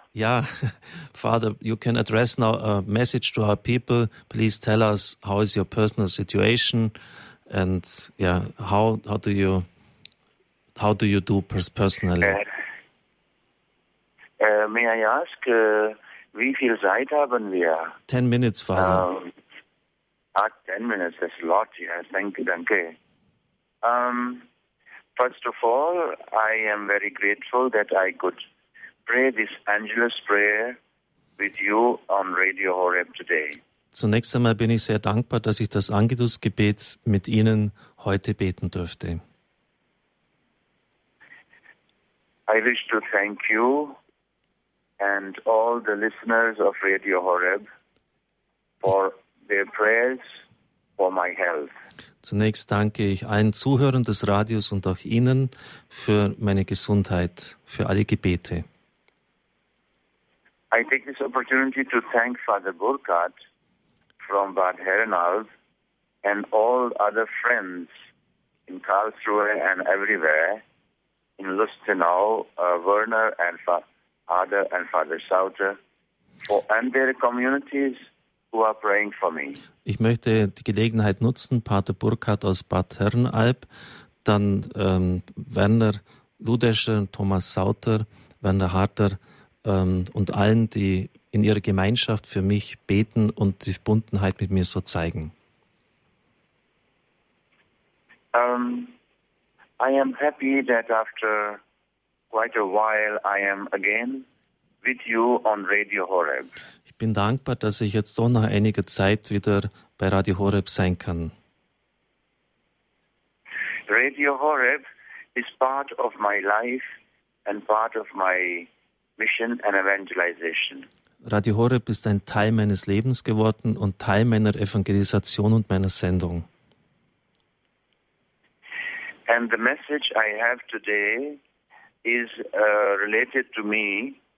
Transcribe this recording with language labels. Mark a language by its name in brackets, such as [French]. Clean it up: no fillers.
[English] Ja, Father, you can address now a message to our people. Please tell us how is your personal situation and yeah, how do you do personally? May I ask, [German] wie viel Zeit haben wir? [English] 10 minutes, Father. 10 minutes, that's a lot, yeah. Danke. First of all, I am very grateful that I could pray this Angelus prayer with you on Radio Horeb today. [German] Zunächst einmal bin ich sehr dankbar, dass ich das Angelus-Gebet mit Ihnen heute beten dürfte. [English] I wish to thank you and all the listeners of Radio Horeb for their prayers for my health. [German] Zunächst danke ich allen Zuhörern des Radios und auch Ihnen für meine Gesundheit, für alle Gebete. [English] I take this opportunity to thank Father Burkhard from Bad Herrenhall and all other friends in Karlsruhe and everywhere, in Lustenau, Werner and Father and Father Sauter, and their communities. Who are praying for me. [German] Ich möchte die Gelegenheit nutzen, Pater Burkhard aus Bad Herrenalb, dann Werner Ludescher, Thomas Sauter, Werner Harter und allen, die in ihrer Gemeinschaft für mich beten und die Verbundenheit mit mir so zeigen. [English] I am happy that after quite a while I am again with you on Radio Horeb. [German] Ich bin dankbar, dass ich jetzt so nach einiger Zeit wieder bei Radio Horeb sein kann. [English] Radio Horeb is part of my life and part of my mission and evangelization. [German] Radio Horeb ist ein Teil meines Lebens geworden und Teil meiner Evangelisation und meiner Sendung. [English] And the message I have today is related to me.